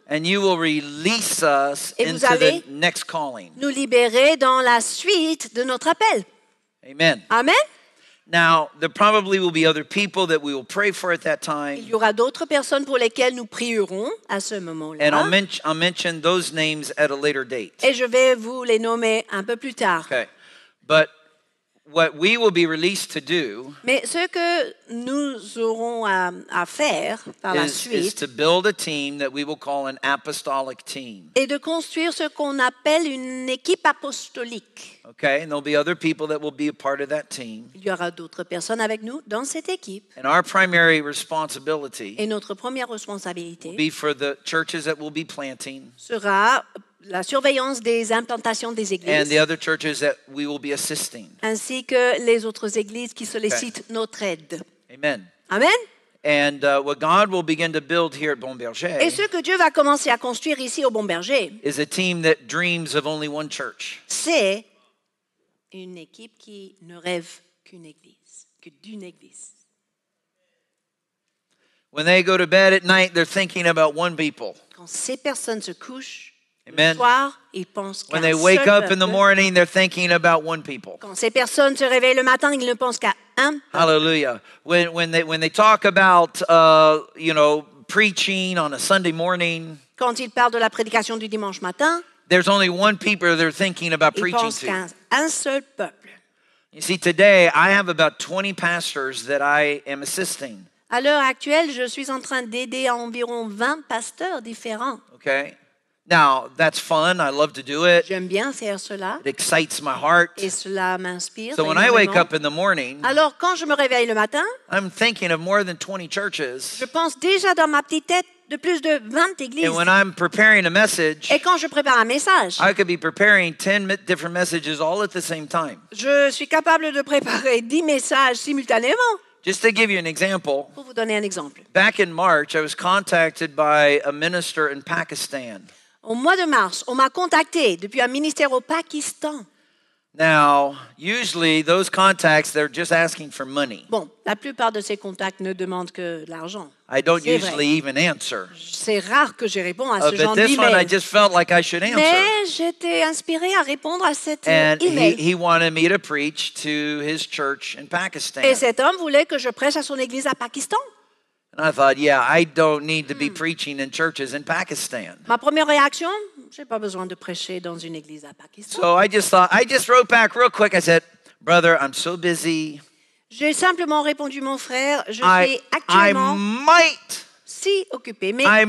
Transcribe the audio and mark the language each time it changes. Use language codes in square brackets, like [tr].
[en] And you will release us into the next calling. [fr] Nous libérer dans la suite de notre appel. [en] Amen. [fr] Amen. [en] Now, there probably will be other people that we will pray for at that time. [fr] Il y aura d'autres personnes pour lesquelles nous prierons à ce moment-là. [en] And I'll mention those names at a later date. [fr] Et je vais vous les nommer un peu plus tard. [en] Okay. But what we will be released to do. [fr] Mais ce que nous aurons à faire par la suite. [en] Is to build a team that we will call an apostolic team. [fr] Et de construire ce qu'on appelle une équipe apostolique. [en] Okay, and there'll be other people that will be a part of that team. [fr] Il y aura d'autres personnes avec nous dans cette équipe. [en] And our primary responsibility. [fr] Et notre première responsabilité. [en] Will be for the churches that we'll be planting. [fr] Sera la surveillance des implantations des églises. [en] And the other churches that we will be assisting. [fr] Ainsi que les autres églises qui sollicitent okay. Notre aide. [en] Amen. [fr] Amen. [en] And what God will begin to build here at Bon Berger. [fr] Et ce que Dieu va commencer à construire ici au Bon Berger. [en] Is a team that dreams of only one church. [fr] C'est une équipe qui ne rêve qu'une église, que d'une église. [en] When they go to bed at night, they're thinking about one people. [fr] Quand ces personnes se couchent. [en] Amen. [fr] Le soir, ils pensent [en] when they wake up in the morning, they're thinking about one people. [fr] Quand ces personnes se réveillent le matin, ils ne pensent qu'à un. [en] Hallelujah. When they talk about you know preaching on a Sunday morning. [fr] Quand ils parlent de la prédication du dimanche matin. [en] There's only one people they're thinking about preaching to. [fr] Ils pensent qu'à un seul peuple. [en] You see, today I have about 20 pastors that I am assisting. [fr] À l'heure actuelle, je suis en train d'aider à environ 20 pasteurs différents. [en] Okay. Now, that's fun. I love to do it. [fr] J'aime bien faire cela. [en] It excites my heart. [fr] Et cela m'inspire. [en] So when I wake up in the morning, [fr] alors quand je me réveille le matin, [en] I'm thinking of more than 20 churches. [fr] Je pense déjà dans ma petite tête de plus de 20 églises. [en] And when I'm preparing a message, [fr] et quand je prépare un message, [en] I could be preparing 10 different messages all at the same time. [fr] Je suis capable de préparer 10 messages simultanément. [en] Just to give you an example, [fr] pour vous donner un exemple. [en] Back in March, I was contacted by a minister in Pakistan. [fr] Au mois de mars, on m'a contacté depuis un ministère au Pakistan. [en] Now, usually those contacts, they're just asking for money. [fr] Bon, la plupart de ces contacts ne demandent que de l'argent. [en] I don't usually even answer. [fr] C'est rare que je réponds à ce genre d'email. [en] But this one, I just felt like I should answer. [fr] Mais j'étais inspirée à répondre à cet email. [en] And he wanted me to preach to his church in Pakistan. [fr] Et cet homme voulait que je prêche à son église à Pakistan. [en] And I thought, yeah, I don't need to be preaching in churches in Pakistan. [fr] Ma première réaction, j'ai pas besoin de prêcher dans une église à Pakistan. [en] So I just wrote back real quick. I said, brother, I'm so busy. [fr] J'ai simplement répondu, mon frère, je suis actuellement si occupé, mais